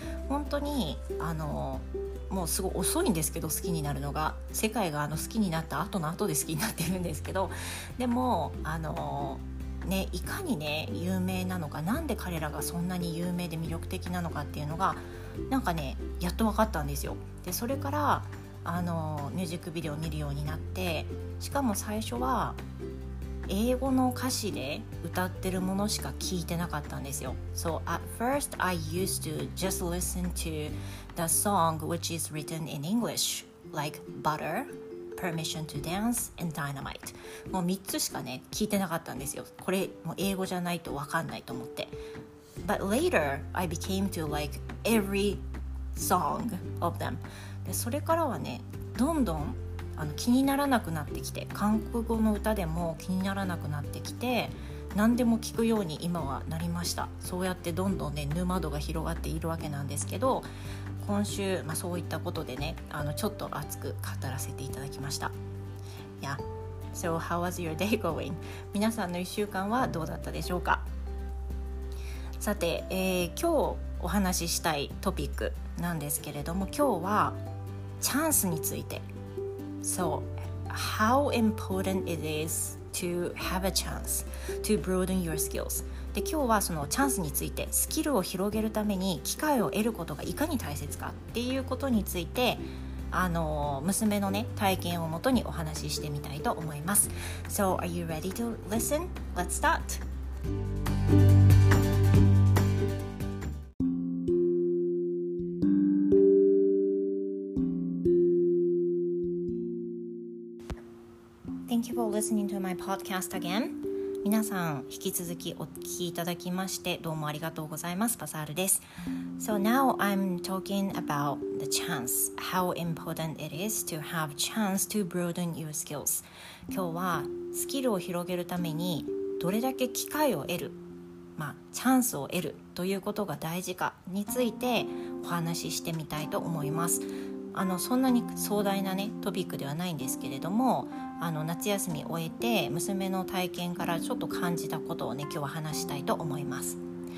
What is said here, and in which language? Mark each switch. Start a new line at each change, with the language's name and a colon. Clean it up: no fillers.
Japanese: 本当にもうすごい遅いんですけど、好きになるのが、世界が好きになった後の後で好きになってるんですけど、でもね、いかにね有名なのか、なんで彼らがそんなに有名で魅力的なのかっていうのがなんかね、やっと分かったんですよ。で、それからミュージックビデオを見るようになって、しかも最初は英語の歌詞で歌ってるものしか聞いてなかったんですよ。
English: So at first I used to just listen to the song which is written in English, like Butter, Permission to Dance, and Dynamite.
Japanese: もう3つしかね聞いてなかったんですよ。これもう英語じゃないと分かんないと思って。
English: But later I became to like every song of them.
Japanese: で、それからはね、どんどん気にならなくなってきて、韓国語の歌でも気にならなくなってきて、何でも聞くように今はなりました。そうやってどんどんね沼度が広がっているわけなんですけど、今週、まあ、そういったことでねちょっと熱く語らせていただきました。
English: いや、So how was your day going?
Japanese: 皆さんの1週間はどうだったでしょうか。さて、今日お話ししたいトピックなんですけれども、今日はチャンスについて。
English: So how important it is to have a chance to broaden your skills。
Japanese: で、今日はそのチャンスについて、スキルを広げるために機会を得ることがいかに大切かっていうことについて、娘のね体験をもとにお話ししてみたいと思います。
English: So are you ready to listen? Let's start! Thank you for listening to my podcast again.
Japanese: 皆さん引き続きお聞きいただきましてどうもありがとうございます。バサールです。
English: So now I'm talking aboutThe chance, how important it is to have chance to broaden your skills.
Japanese: 今日はスキルを広げるためにどれだけ機会を得る、まあ、チャンスを得るということが大事かについてお話ししてみたいと思います。そんなに壮大な、ね、トピックではないんですけれども、夏休み終えて娘の体験からちょっと感じたことを、ね、今日は話したいと思います。